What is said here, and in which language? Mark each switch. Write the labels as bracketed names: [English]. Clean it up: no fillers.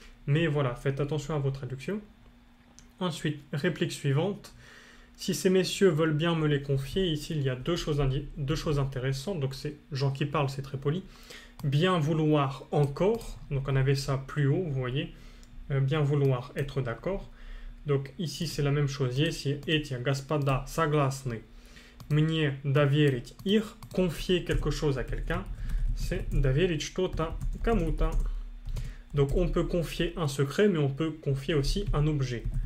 [French] Mais voilà, faites attention à vos traductions. Ensuite, réplique suivante. Si ces messieurs veulent bien me les confier, ici il y a deux choses intéressantes. Donc c'est Jean qui parle, c'est très poli. Bien vouloir encore, donc on avait ça plus haut, vous voyez. Bien vouloir être d'accord. Donc ici c'est la même chose. [Russian] Если эти господа согласны мне доверить их, [French] confier quelque chose à quelqu'un, c'est [Russian] доверить что-то кому-то. [French] Donc on peut confier un secret, mais on peut confier aussi un objet.